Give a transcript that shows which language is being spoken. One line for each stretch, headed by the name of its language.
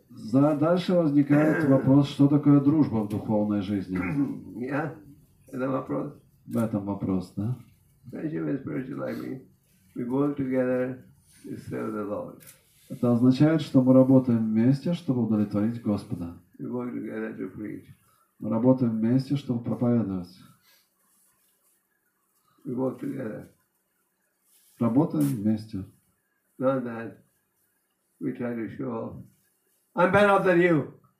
Russian: Дальше возникает вопрос, что такое дружба в духовной жизни. Это вопрос. В этом вопрос, да?
English: Friendship and spiritual life means we work together to serve the Lord.
Russian: Это означает, что мы работаем вместе, чтобы удовлетворить Господа.
English: We work together to preach.
Russian: Мы работаем вместе, чтобы проповедовать.
English: We work together.
Russian: Работаем вместе.
English: Not that we try to show off. I'm better off than you.